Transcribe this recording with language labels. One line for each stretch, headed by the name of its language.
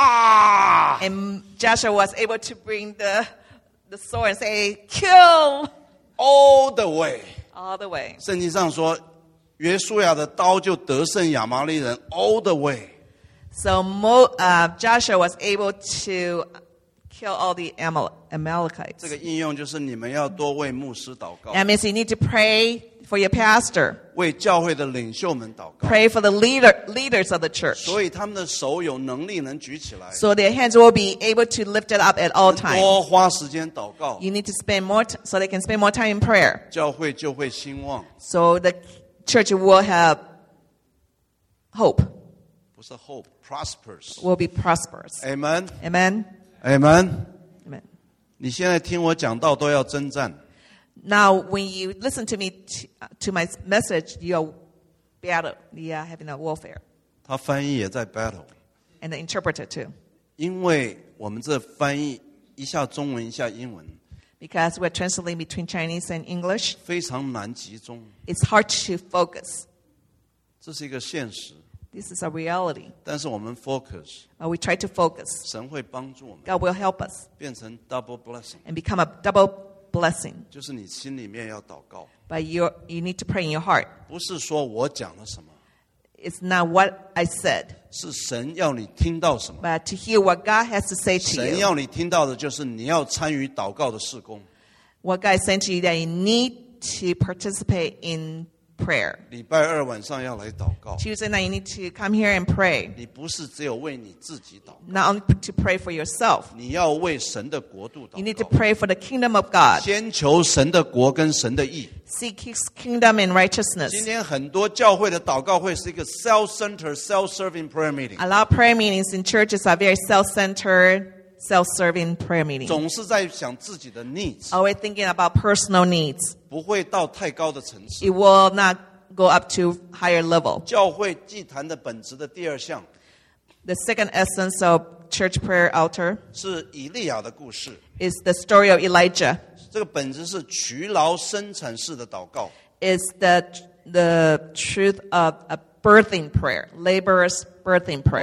English: And Joshua was able to bring the sword and say, kill! All the way. All the way.
Chinese: 圣经上说约书亚的刀就得胜亚玛利人
English: all the way. So Joshua was able to kill all the Amalekites.
Chinese: 这个应用就是你们要多为牧师祷告。
English: That means you need to pray. For your pastor.
Chinese: 为教会的领袖们祷告
English: Pray for the leaders of the church.
Chinese: 所以他们的手有能力能举起来
English: So their hands will be able to lift it up at all times.
Chinese: 多花时间祷告
English: You need to spend more so they can spend more time in prayer.
Chinese: 教会就会兴旺
English: So the church will have hope.
Chinese: 不是
English: hope, prosperous. Will be prosperous. Amen. Amen. Amen. Amen.
Chinese: 你现在听我讲道都要征战
English: Now, when you listen to me, to my message, you are having a warfare.
Chinese: 他翻译也在 battle.
English: And the interpreter too.
Chinese: 因为我们这翻译一下中文一下英文。
English: Because we're translating between Chinese and English.
Chinese: 非常难集中。
English: It's hard to focus.
Chinese: 这是一个现实。
English: This is a reality.
Chinese: 但是我们 focus.
English: But we try to focus.
Chinese: 神会帮助我们。
English: God will help us.
Chinese: 变成
English: double blessing. And become a double blessing. Blessing.
Chinese: 就是你心里面要祷告
English: But you need to pray in your heart.
Chinese: 不是说我讲了什么
English: It's not what I said.
Chinese: 是神要你听到什么
English: But to hear what God has to say to you.
Chinese: 神要你听到的就是你要参与祷告的事工
English: What God is saying to you that you need to participate in prayer.
Chinese: 礼拜二晚上要来祷告
English: Tuesday night you need to come here and pray.
Chinese: 你不是只有为你自己祷告
English: Not only to pray for yourself.
Chinese: 你要为神的国度祷告
English: You need to pray for the kingdom of God.
Chinese: 先求神的国跟神的义
English: Seek his kingdom and righteousness.
Chinese: 今天很多教会的祷告会是一个
English: self-centered, self-serving prayer meeting. A lot of prayer meetings in churches are very self-centered, self-serving prayer meeting.
Chinese: 总是在想自己的 needs.
English: Always thinking about personal needs.
Chinese: 不会到太高的层次。
English: It will not go up to higher level.
Chinese: 教会祭坛的本质的第二项。
English: The second essence of church prayer altar.
Chinese: 是以利亚的故事。
English: Is the story of Elijah.
Chinese: 这个本质是劬劳生产式的祷告。
English: Is the truth of a birthing prayer, laborers birthing prayer.